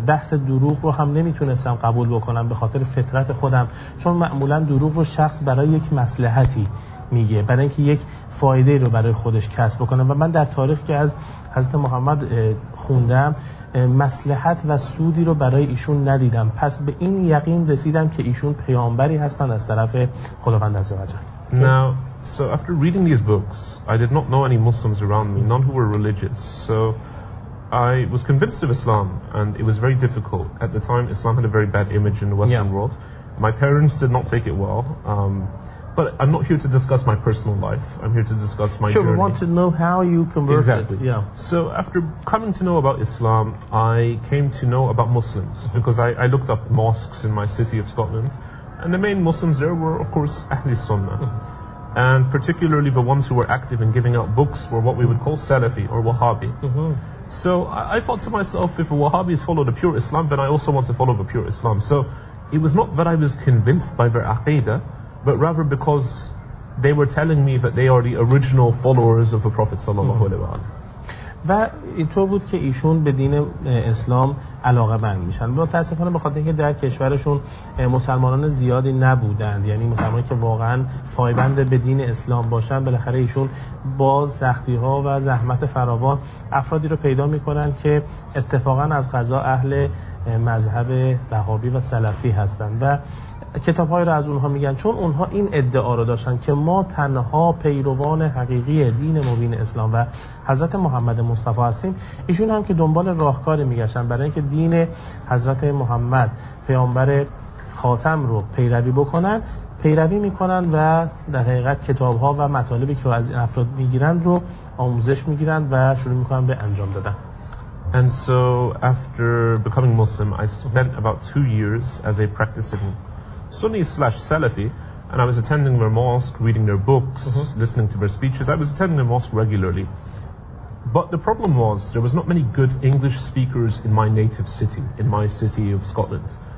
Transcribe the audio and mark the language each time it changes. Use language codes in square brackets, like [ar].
[fa] بحث دروغ رو هم نمیتونستم قبول بکنم به خاطر فطرت خودم، چون معمولا دروغ رو شخص برای یک مصلحتی میگه، برای اینکه یک فایده رو برای خودش کسب بکنه. و من در تاریخ که از حضرت محمد خوندم مصلحت و سودی رو برای ایشون ندیدم، پس به این یقین رسیدم که ایشون پیامبری هستن از طرف خداوند عزوجل. [en] Now, so after reading these books, I did not know any Muslims around me, none who were religious. So I was convinced of Islam, and it was very difficult. At the time, Islam had a very bad image in the Western world. My parents did not take it well. But I'm not here to discuss my personal life. I'm here to discuss my journey. Sure, we want to know how you converted. Exactly. Yeah. So after coming to know about Islam, I came to know about Muslims, because I looked up mosques in my city of Scotland, and the main Muslims there were, of course, Ahli Sunnah. And particularly the ones who were active in giving out books were what we would call Salafi or Wahhabi. So I thought to myself, if a Wahhabi has followed a pure Islam, then I also want to follow the pure Islam. So it was not that I was convinced by their aqidah, but rather because they were telling me that they are the original followers of the Prophet [ar] sallallahu alaihi wasallam. [fa] و اینطور بود که ایشون به دین اسلام علاقه مند میشن. متاسفانه به خاطر اینکه در کشورشون مسلمانان زیادی نبودند، یعنی مسلمانی که واقعا پایبند به دین اسلام باشن، بالاخره ایشون با سختی ها و زحمت فراوان افرادی رو پیدا میکنن که اتفاقا از قضا اهل مذهب وهابی و سلفی هستن و کتاب های رو از اونها میگن، چون اونها این ادعا رو داشتن که ما تنها پیروان حقیقی دین مبین اسلام و حضرت محمد مصطفی هستیم. ایشون هم که دنبال راهکار میگشتن برای اینکه دین حضرت محمد پیامبر خاتم رو پیروی بکنن، پیروی میکنن و در حقیقت کتاب ها و مطالبی که رو از این افراد میگیرن رو آموزش میگیرن و شروع میکنن به انجام دادن. [en] And so after becoming Muslim, I spent about 2 years as a practicing Sunni slash Salafi, and I was attending their mosque, reading their books, listening to their speeches. I was attending their mosque regularly. But the problem was, there was not many good English speakers in my native city, in my city of Scotland.